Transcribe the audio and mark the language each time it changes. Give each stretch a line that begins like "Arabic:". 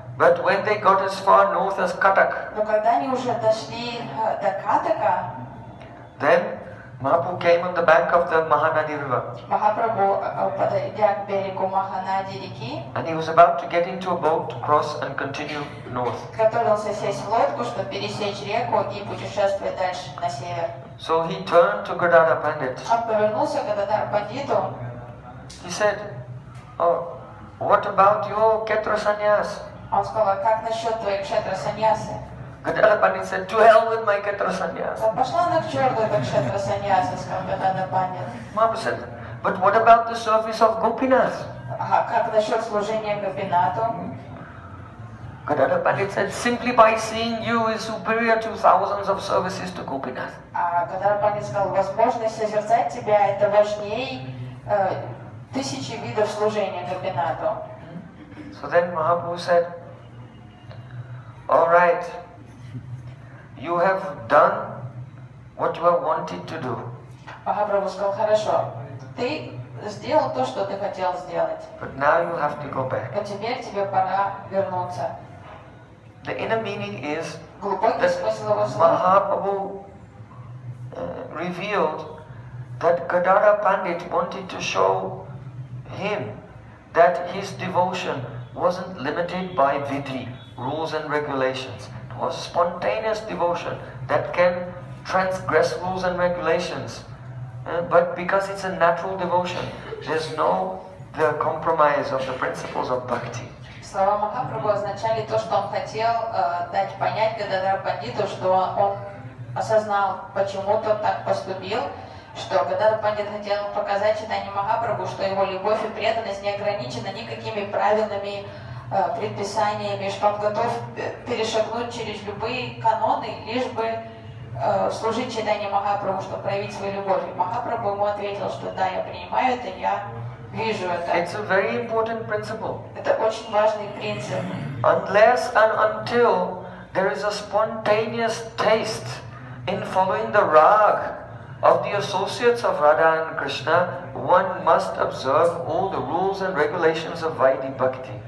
English: But when they got as far north as Katak,
Russian: но когда они уже дошли до Катака,
English: then Mahaprabhu came on the bank of the Mahanadi River.
Russian: Mahaprabhu подойдя к берегу Маханади реки.
English: And he was about to get into a boat to cross and continue north.
Russian: Готовился сесть в лодку, чтобы пересечь реку и путешествовать дальше на север.
English: So he turned to Gadadhar Pandit.
Russian: Он повернулся к Гададхара Пандиту.
English: He said, "Oh, what about your Kshetra Sannyas?"
Russian: Он сказал, как насчет твоей Кшетра Саньясы?
English: Gadadhar Pandit said, "To hell with my Kshetra Sannyas."
Russian: Пошла она к черту, эта Кшетра Саньяса, сказал Гададхар Пандит.
English: Mahaprabhu said, "But what about the service of Gopinath?"
Russian: А как насчет служения Гопинату?
English: Gadadhar Pandit said, "Simply by seeing you is superior to thousands of services to Gopinath."
Russian: Gadadhar Pandit сказал, возможность созерцать тебя это важней тысячи видов служения Гопинату.
English: So then Mahaprabhu said, "All right. You have done what you have wanted to do."
Russian: Махапрабху сказал, хорошо, ты сделал то, что ты хотел сделать.
English: But now you have to go back.
Russian: А теперь тебе пора вернуться.
English: The inner meaning is that Mahaprabhu revealed that Gadadhar Pandit wanted to show him that his devotion wasn't limited by vidhi, rules and regulations. Or spontaneous devotion that can transgress rules and regulations, but because it's a natural devotion, there's no the compromise of the principles of bhakti.
Russian: Слова Махапрабху означали то, что он хотел дать понять Гададхар Пандиту, что он осознал, почему тот так поступил, что Гададхар Пандит хотел показать читанию Махапрабху, что его любовь и преданность не ограничена никакими правилами. Предписаниями, что он готов перешагнуть через любые каноны, лишь бы служить читанию Махапрабху, чтобы проявить свою любовь. И Махапрабху ему ответил, что да, я принимаю это, я вижу это.
English: It's a very important principle.
Russian: Это очень важный принцип.
English: Unless and until there is a spontaneous taste in following the rag of the associates of Radha and Krishna, one must observe all the rules and regulations of Vaidhi Bhakti.